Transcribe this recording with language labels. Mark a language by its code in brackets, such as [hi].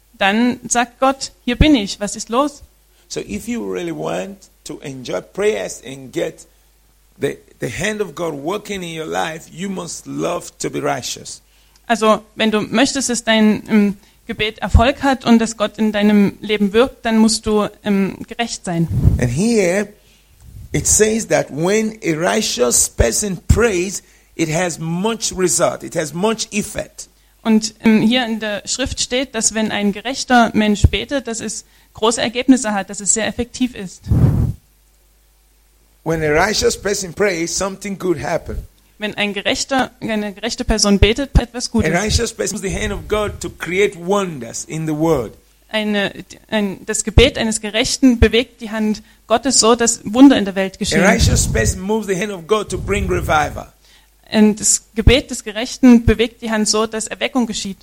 [de] Dann sagt Gott, hier bin ich, was ist los? [en] So if you really want to enjoy prayers and get the hand of God working in your life, you must love to be righteous. [de] Also, wenn du möchtest, dass dein Gebet Erfolg hat und dass Gott in deinem Leben wirkt, dann musst du gerecht sein. [en] And here it says that when a righteous person prays, it has much result, it has much effect. [de] Und hier in der Schrift steht, dass wenn ein gerechter Mensch betet, dass es große Ergebnisse hat, dass es sehr effektiv ist. [en] When a righteous person prays, something good happens. [de] Wenn eine gerechte Person betet, etwas Gutes. [en] A righteous person uses the hand of God to create wonders in the world. [de] Das Gebet eines Gerechten bewegt die Hand Gottes so, dass Wunder in der Welt geschehen. [en] A righteous person moves the hand of God to bring revival. [de] Und das Gebet des Gerechten bewegt die Hand so, dass Erweckung geschieht.